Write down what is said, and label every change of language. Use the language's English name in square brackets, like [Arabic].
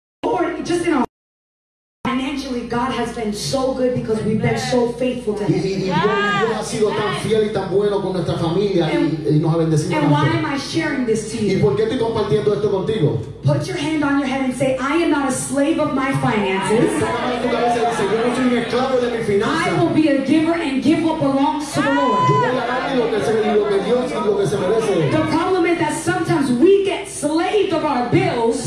[English] Lord, just in our financially, God has been so good because we've been so faithful to Him. [Spanish] Y Dios ha sido tan fiel y tan bueno con nuestra familia y nos ha bendecido. [English] And why am I sharing this to you? [Spanish] ¿Y por qué estoy compartiendo esto contigo? [English] Put your hand on your head and say, I am not a slave of my finances. I will be a giver and give what belongs to the Lord. The problem is that sometimes we get slaved of our bills.